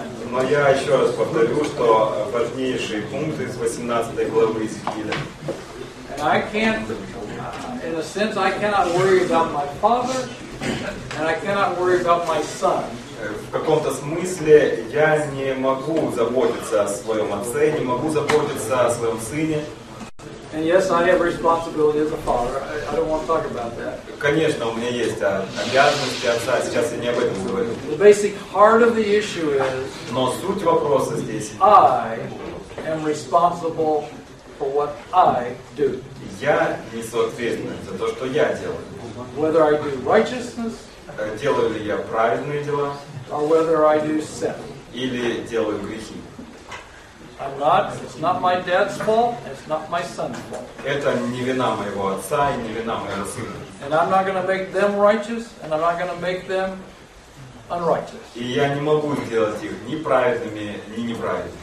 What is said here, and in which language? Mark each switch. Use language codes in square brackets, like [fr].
[ru] Но я еще раз повторю, что важнейший пункт из 18 главы Иезекииля. [en] And I can't, in a sense, I cannot worry about my father, and I cannot worry about my son. [ru] В каком-то смысле я не могу заботиться о своем отце, не могу заботиться о своем сыне. [en] And yes, I have responsibility as a father. I don't want to talk about that. [ru] Конечно, у меня есть обязанности отца. Сейчас я не об этом говорю. [en] The basic heart of the issue is. [ru] Но суть вопроса здесь. [en] I am responsible for what I do. [ru] Я несу ответственность за то, что я делаю. [en] Whether I do righteousness [ru] делаю ли я праведные дела, [en] or whether I do sin. [ru] Или делаю грехи. [en] It's not my dad's fault, it's not my son's fault. [ru] Это не вина моего отца и не вина моего сына. [en] And I'm not going to make them righteous, and I'm not going to make them unrighteous. [ru] И я не могу сделать их ни праведными, ни неправедными.